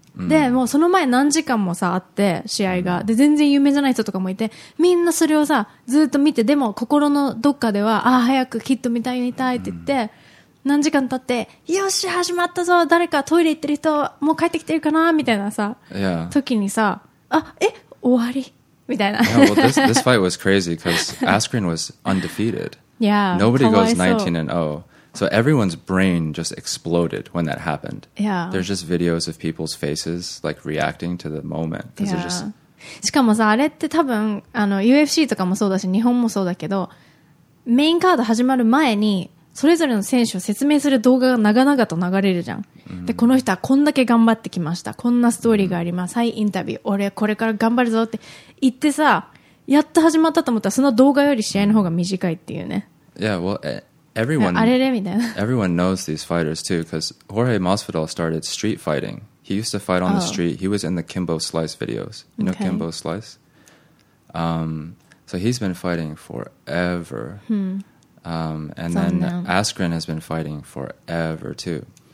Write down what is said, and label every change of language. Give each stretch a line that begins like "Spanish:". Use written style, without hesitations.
Japanese: で、もうその前何時間もさ、あって、試合が。で、全然有名じゃない人とかもいて、みんなそれをさ、ずっと見て、でも心のどっかでは、ああ、早くキッド見たい、見たいって言って、何時間経って、よし、始まったぞ、誰かトイレ行ってる人、もう帰ってきてるかな、みたいなさ、時にさ、あ、え、終わりみたいな。
English: Yeah, well, this fight was crazy, because Askren was undefeated. Yeah. Nobody goes 19-0. So everyone's brain just exploded when that happened. Yeah. There's just videos of people's faces like reacting to the moment. Yeah.
Japanese: しかもさ、あれって多分あの UFC とかもそうだし、日本もそうだけど、メインカード始まる前にそれぞれの選手を説明する動画が長々と流れるじゃん。で、この人はこんだけ頑張ってきました。こんなストーリーがあります。はい、インタビュー。俺これから頑張るぞって言ってさ、やっと始まったと思ったらその動画より試合の方が短いっていうね。
English: Yeah, well, Everyone knows these fighters too, because Jorge Masvidal started street fighting. He used to fight on the street. He was in the Kimbo Slice videos. You know Kimbo Slice? So he's been fighting forever. And then Askren has been fighting forever too.